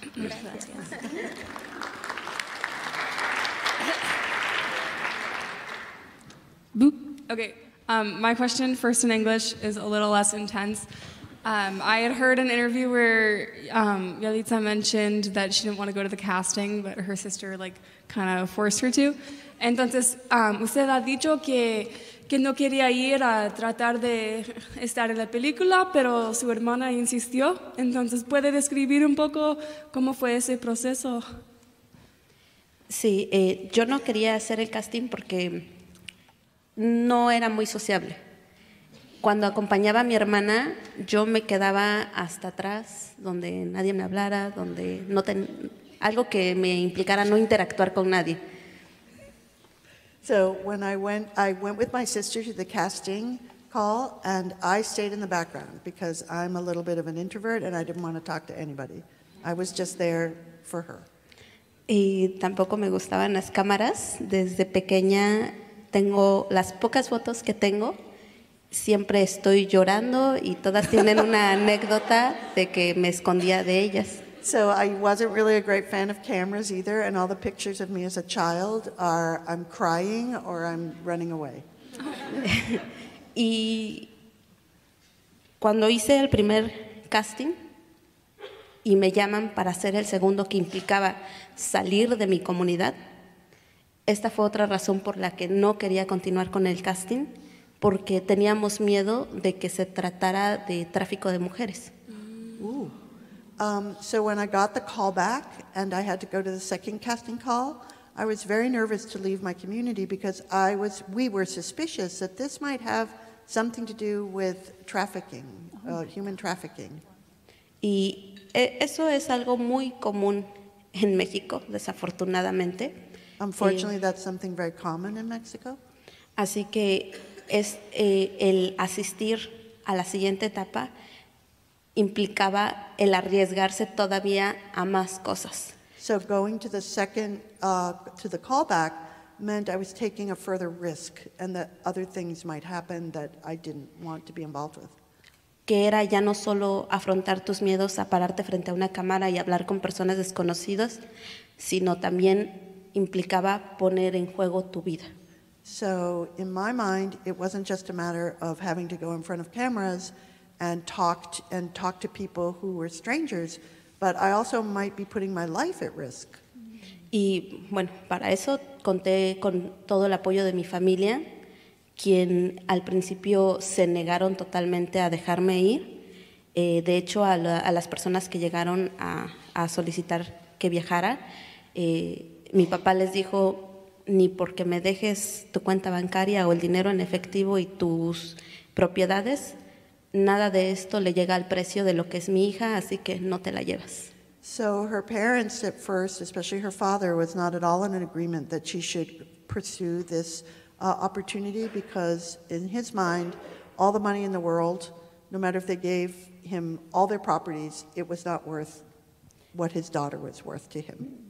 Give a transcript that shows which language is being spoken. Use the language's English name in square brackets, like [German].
[Spanish] Gracias. Okay. [English] My question first in English is a little less intense. I had heard an interview where Yalitza mentioned that she didn't want to go to the casting, but her sister like kind of forced her to. [Spanish] Entonces, usted ha dicho que no quería ir a tratar de estar en la película, pero su hermana insistió. Entonces, ¿puede describir un poco cómo fue ese proceso? Sí, yo no quería hacer el casting porque no era muy sociable. Cuando acompañaba a mi hermana, yo me quedaba hasta atrás, donde nadie me hablara, donde no tenía algo que me implicara no interactuar con nadie. [English] So when I went with my sister to the casting call, and I stayed in the background because I'm a little bit of an introvert and I didn't want to talk to anybody. I was just there for her. [Spanish] Y tampoco me gustaban las cámaras. Desde pequeña tengo las pocas fotos que tengo. Siempre estoy llorando y todas tienen una anécdota de que me escondía de ellas. [English] So I wasn't really a great fan of cameras either, and all the pictures of me as a child are I'm crying or I'm running away. [Spanish] Y cuando hice el primer casting y me llaman para hacer el segundo que implicaba salir de mi comunidad, esta fue otra razón por la que no quería continuar con el casting, porque teníamos miedo de que se tratara de tráfico de mujeres. Ooh. [English] So when I got the call back and I had to go to the second casting call, I was very nervous to leave my community because we were suspicious that this might have something to do with trafficking, human trafficking. [Spanish] Y eso es algo muy común en México, desafortunadamente. [English] Unfortunately, that's something very common in Mexico. [Spanish] Así que es el asistir a la siguiente etapa implicaba el arriesgarse todavía a más cosas. [English] So going to the second to the callback meant I was taking a further risk and that other things might happen that I didn't want to be involved with. [Spanish] Que era ya no solo afrontar tus miedos a pararte frente a una cámara y hablar con personas desconocidas, sino también implicaba poner en juego tu vida. [English] So in my mind, it wasn't just a matter of having to go in front of cameras and talk to people who were strangers, but I also might be putting my life at risk. [Spanish] Y bueno, para eso conté con todo el apoyo de mi familia, quien al principio se negaron totalmente a dejarme ir. De hecho, a las personas que llegaron a solicitar que viajara, mi papá les dijo, ni porque me dejes tu cuenta bancaria o el dinero en efectivo y tus propiedades, nada de esto le llega al precio de lo que es mi hija, así que no te la llevas. [English] So her parents at first, especially her father, was not at all in an agreement that she should pursue this opportunity because in his mind, all the money in the world, no matter if they gave him all their properties, it was not worth what his daughter was worth to him.